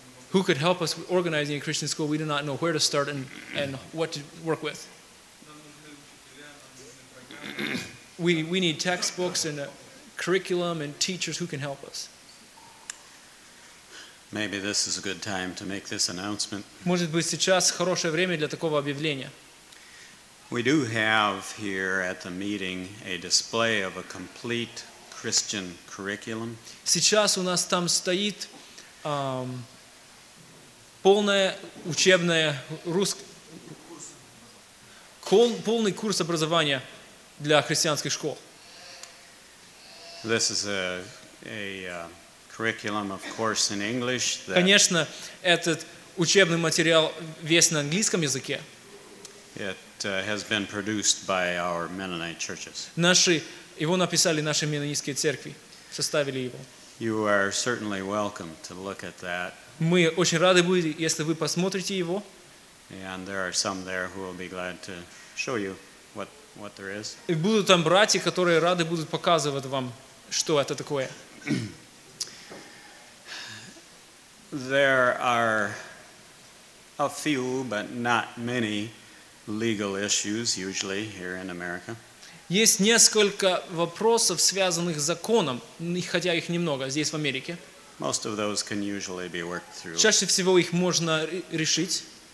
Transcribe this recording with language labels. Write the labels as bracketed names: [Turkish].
[English] Who could help us organizing a Christian school? We do not know where to start and what to work with. We need textbooks and a curriculum and teachers. Who can help us? Maybe this is a good time to make this announcement. [Russian] Может быть сейчас хорошее время для такого объявления. [English] We do have here at the meeting a display of a complete Christian curriculum. [Russian] Сейчас у нас там стоит полное учебное полный курс образования для христианских школ. [English] This is a curriculum, of course, in English. [Russian] Конечно, этот учебный материал весь на английском языке. [English] It has been produced by our Mennonite churches. [Russian] Наши его написали наши Меннонитские церкви, составили его. [English] You are certainly welcome to look at that. [Russian] Мы очень рады будем, если вы посмотрите его. [English] And there are some there who will be glad to show you what there is. [Russian] И будут там братья, которые рады будут показывать вам, что это такое. [English] There are a few, but not many, legal issues usually here in America. [Russian] Есть несколько вопросов, связанных с законом, хотя их немного здесь в Америке. [English] Most of those can usually be worked through. [Russian] Чаще всего их можно решить.